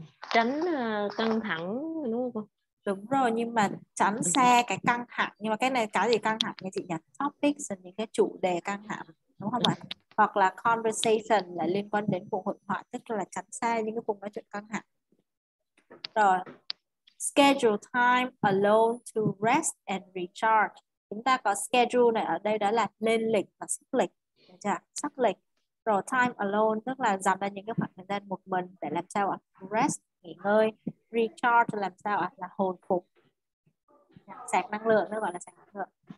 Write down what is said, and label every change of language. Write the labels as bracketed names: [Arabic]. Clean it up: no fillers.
[Vietnamese] Tránh căng thẳng đúng không? Đúng rồi, nhưng mà tránh xa cái căng thẳng. Nhưng mà cái này cái gì căng thẳng nha chị nhỉ? Topics là những cái chủ đề căng thẳng, đúng không ạ? Hoặc là conversation là liên quan đến cuộc hội thoại, tức là tránh xa những cái cuộc nói chuyện căng thẳng. [English] Rồi, schedule time alone to rest and recharge. [Vietnamese] Chúng ta có schedule này ở đây đó là lên lịch và sắp lịch, đúng chưa? Sắp lịch. Rồi time alone tức là dành ra những cái khoảng thời gian một mình để làm sao ạ? Rest, nghỉ ngơi. Recharge làm sao ạ? Là hồi phục, sạc năng lượng, nó gọi là sạc năng lượng.